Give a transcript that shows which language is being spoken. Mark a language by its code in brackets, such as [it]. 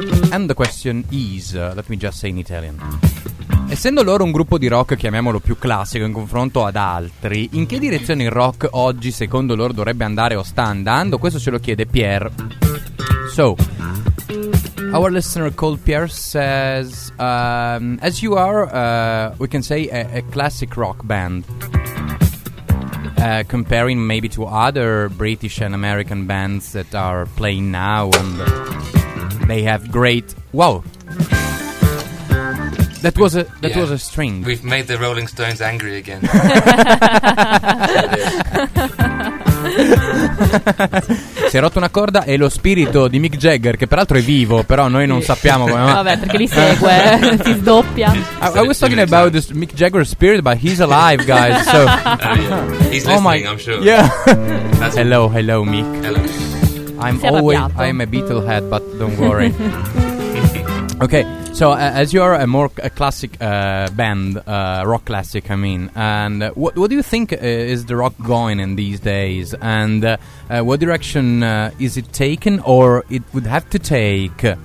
[en] And the question is, let me just say in Italian. [it] Essendo loro un gruppo di rock, chiamiamolo più classico in confronto ad altri, in che direzione il rock oggi secondo loro dovrebbe andare o sta andando? Questo ce lo chiede Pierre. [en] So, our listener called Pierre says, as you are, we can say, a classic rock band, comparing maybe to other British and American bands that are playing now, and they have great... Wow! That was a string. We've made the Rolling Stones angry again. [it] Si è rotto una corda e lo spirito di Mick Jagger, che peraltro è vivo, però noi non sappiamo come. Vabbè, perché li segue, si sdoppia. [en] I was talking about this Mick Jagger spirit, but he's alive, guys. So yeah. He's listening, I'm sure. Yeah. That's hello, hello, Mick. Hello. I'm a Beetlehead, but don't worry. Okay, so as you are a more classic band, rock classic, I mean, and what do you think is the rock going in these days, and what direction is it taken, or it would have to take?